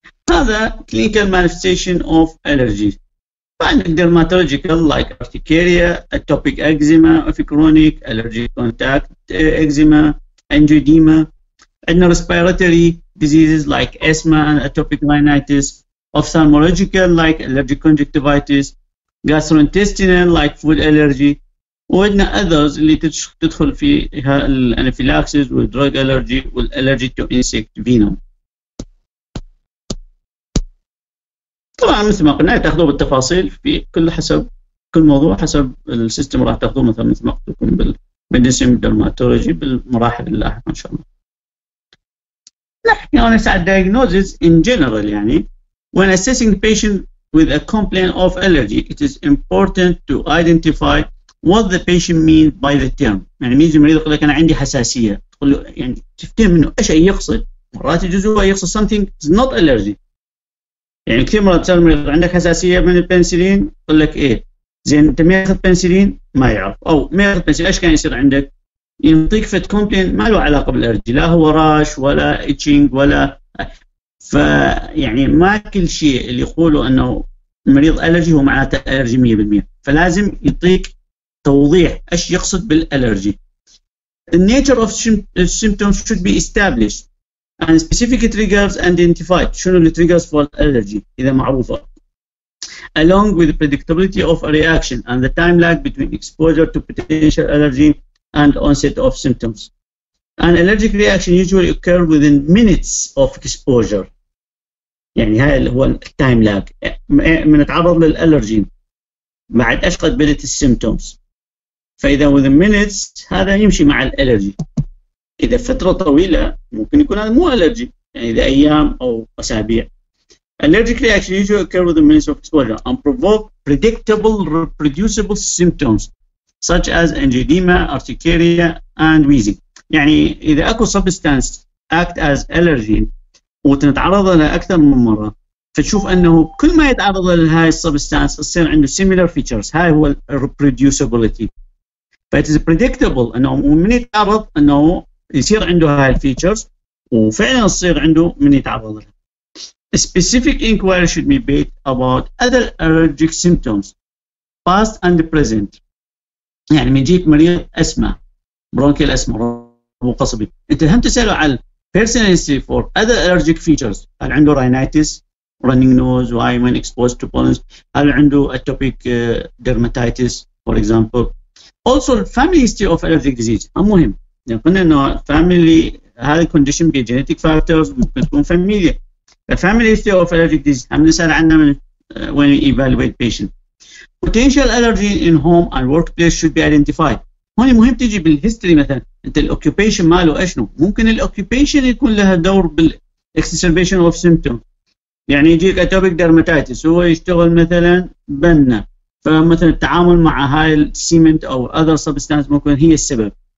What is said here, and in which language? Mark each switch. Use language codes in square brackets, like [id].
[en] هذا clinical manifestation of allergy. [ar] فعندك [en] dermatological like urticaria, atopic eczema of chronic allergy contact eczema angioedema, [ar] عندنا [en] respiratory diseases like asthma and atopic rhinitis, ophthalmological like allergy conjunctivitis, gastrointestinal like food allergy، وعندنا others [ar] اللي تدخل في [en] الانفلاكسز والدروغ allergy والallergy to insect venom. [ar] طبعا مثل ما قلنا تاخذوا بالتفاصيل في كل حسب كل موضوع حسب السيستم راح تاخذوه، مثلا مثل ما قلت لكم بالمدسم درماتولوجي بالمراحل اللاحقه ان شاء الله. نحكي عن [en] diagnosis in general، [ar] يعني [en] when assessing patient with a complaint of allergy it is important to identify what the patient means by the term. [ar] يعني ميزي مريض يقول لك انا عندي حساسيه، تقول له يعني تفتهم منه ايش اي يقصد. مرات يجوز هو يقصد something is not allergy، يعني كثير مرات تسال المريض عندك حساسيه من البنسلين يقول لك ايه. زين انت ما اخذ بنسلين؟ ما يعرف، او ما اخذ بنسلين ايش كان يصير عندك؟ ينطيك فت كومبلين ما له علاقه بالالرجي، لا هو راش ولا itching ولا فيعني ما كل شيء اللي يقوله انه مريض الرجي هو معناته الرجي 100%، فلازم يعطيك توضيح ايش يقصد بالالرجي. [en] the nature of symptoms should be established and specific triggers identified. [ar] شنو اللي [en] triggers for allergy [ar] إذا معروفة [en] along with the predictability of a reaction and the time lag between exposure to potential allergy and onset of symptoms. An allergic reaction usually occurs within minutes of exposure. [ar] يعني هاي اللي هو التايم لاج من اتعرض للالرجي بعد ايش قد بدت السيمتومز. فاذا [en] within minutes [ar] هذا يمشي مع الالرجي. اذا فتره طويله ممكن يكون هذا مو الرجي, يعني اذا ايام او اسابيع. [en] Allergic reaction usually occurs within minutes of exposure and provoke predictable reproducible symptoms such as angioedema, urticaria and wheezing. [ar] يعني اذا اكو [en] substance act as allergen [ar] وتتعرض لها اكثر من مره فتشوف انه كل ما يتعرض لهاي substance يصير عنده [en] similar features. [ar] هاي هو [en] reproducibility. [ar] ف [en] it is predictable [ar] انه من يتعرض انه يصير عنده هاي features وفعلا يصير عنده من يتعرض لها. [en] A specific inquiry should be made about other allergic symptoms, past and present. [ar] يعني من جيك مريض أسمى, برونكيال أسمى, ربو قصبي. أنت هم تسألوا على [en] personality for other allergic features. [ar] هل عنده [en] rhinitis, running nose, why when exposed to pollens? [ar] هل عنده [en] atopic dermatitis, for example? Also, family history of allergic disease. [ar] هم مهم. يعني قلنا أنه [en] family, هذه condition بي genetic factors, [ar] ممكن تكون [en] family. The family history of allergic disease. [ar] هم نسأل عنه [en] when we evaluate patient. Potential allergy in home and workplace should be identified. [ar] هون مهم تيجي بالهيستوري مثلا انت الاوكيوبيشن ماله اشنو. ممكن الاوكيوبيشن يكون لها دور بالاكسسربيشن اوف سيمبتوم. يعني يجيك اتوبيك درماتايتس هو يشتغل مثلا بنا, فمثلا التعامل مع هاي السيمنت او اذر سبستانس ممكن هي السبب.